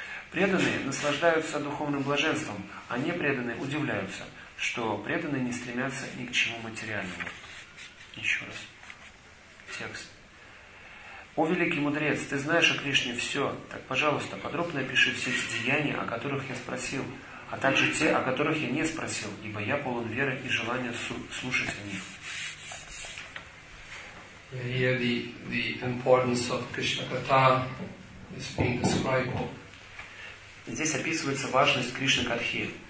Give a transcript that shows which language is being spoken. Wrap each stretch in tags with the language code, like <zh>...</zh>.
<ru>Преданные наслаждаются духовным блаженством, а непреданные удивляются, что преданные не стремятся ни к чему материальному. Еще раз. Текст. «О великий мудрец, ты знаешь о Кришне все, так, пожалуйста, подробно опиши все эти деяния, о которых я спросил, а также те, о которых я не спросил, ибо я полон веры и желания слушать о них».</ru> <en>Here the importance of Krishna Katha is being described.</en> <ru>Здесь описывается важность Кришны Катхи.</ru>